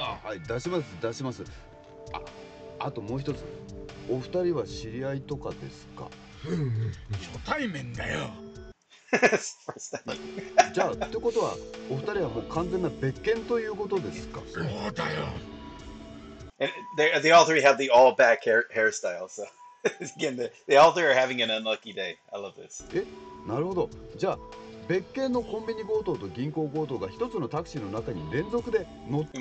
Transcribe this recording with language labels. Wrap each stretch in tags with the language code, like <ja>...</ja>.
<ja>はい、出します、出します。あともう一つ、お二人は知り合いとかですか？初対面だよ。じゃあってことはお二人はもう完全な別件ということですか？そうだよ。</ja> <en>And they all three have the all back hairstyle, so again they all three are having an unlucky day. I love this.</en> <ja>なるほど。じゃあ別件のコンビニ強盗と銀行強盗が一つのタクシーの中に連続で乗って</ja>